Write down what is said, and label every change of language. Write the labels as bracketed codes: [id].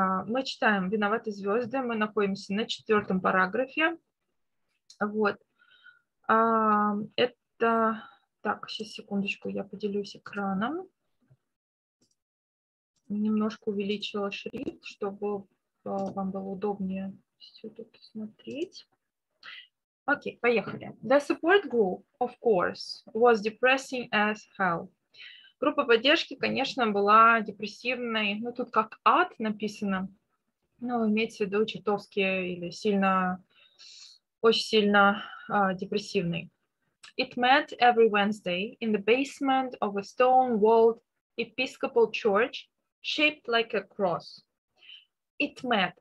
[ru] Мы читаем «Виноваты звезды». Мы находимся на четвертом параграфе. Вот. Это... Так, сейчас, секундочку, я поделюсь экраном. Немножко увеличила шрифт, чтобы вам было удобнее все тут смотреть. Окей, поехали. [en] The support group, of course, was depressing as hell. [ru] Группа поддержки, конечно, была депрессивной. Ну, тут как ад написано. Ну, имеется в виду чертовски или сильно, очень сильно депрессивный. [en] It met every Wednesday in the basement of a stone-walled Episcopal church shaped like a cross. It met.